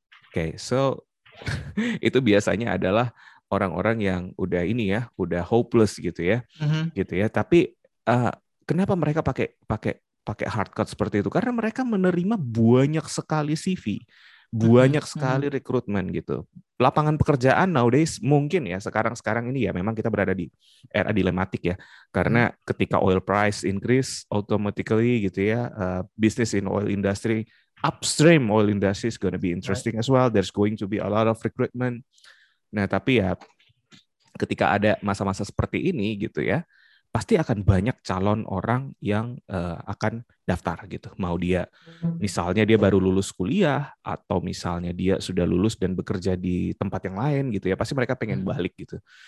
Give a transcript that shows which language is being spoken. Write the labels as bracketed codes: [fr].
[id] Okay, so itu biasanya adalah orang-orang yang udah ini ya, udah hopeless gitu ya, gitu ya. Tapi kenapa mereka pakai hard cut seperti itu? Karena mereka menerima banyak sekali CV, banyak sekali rekrutmen gitu. Lapangan pekerjaan nowadays mungkin ya sekarang-sekarang ini ya memang kita berada di era dilematik ya. Karena ketika [en] oil price increase automatically gitu ya, business in oil industry, upstream oil industry is going to be interesting as well. There's going to be a lot of recruitment. [id] Nah, tapi ya ketika ada masa-masa seperti ini gitu ya, pasti akan banyak calon orang yang akan daftar gitu. Mau dia, misalnya dia baru lulus kuliah, atau misalnya dia sudah lulus dan bekerja di tempat yang lain gitu ya, pasti mereka pengen balik gitu.